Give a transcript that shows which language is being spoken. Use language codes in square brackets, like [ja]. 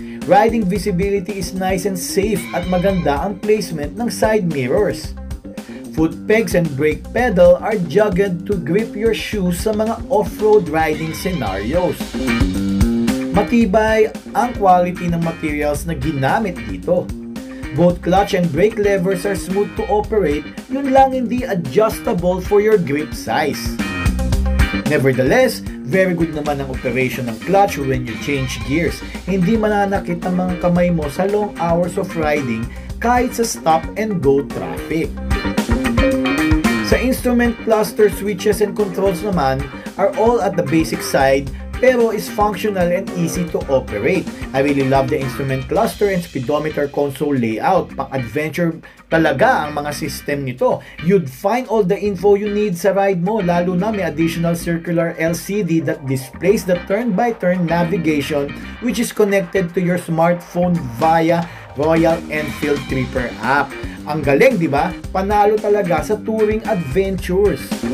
[en] Riding visibility is nice and safe [tl] at maganda ang [en] placement ng side mirrors. Foot pegs and brake pedal are jugged to grip your shoes [tl] sa mga [en] off-road riding scenarios. [tl] Matibay ang quality ng materials na ginamit dito. [en] Both clutch and brake levers are smooth to operate, [tl] yun lang hindi [en] adjustable for your grip size. Nevertheless, very good naman ang operation ng clutch when you change gears. [tl] Hindi mananakit ang mga kamay mo sa [en] long hours of riding [tl] kahit sa [en] stop and go traffic. Sa instrument cluster, switches and controls naman are all at the basic side pero is functional and easy to operate. I really love the instrument cluster and speedometer console layout. [tl] Pang-adventure talaga ang mga system nito. [en] You'd find all the info you need sa ride mo, [tl] lalo na [en] may additional circular LCD that displays the turn-by-turn navigation which is connected to your smartphone via Royal Enfield Tripper app. [tl] Ang galing, di ba? Panalo talaga sa touring adventures.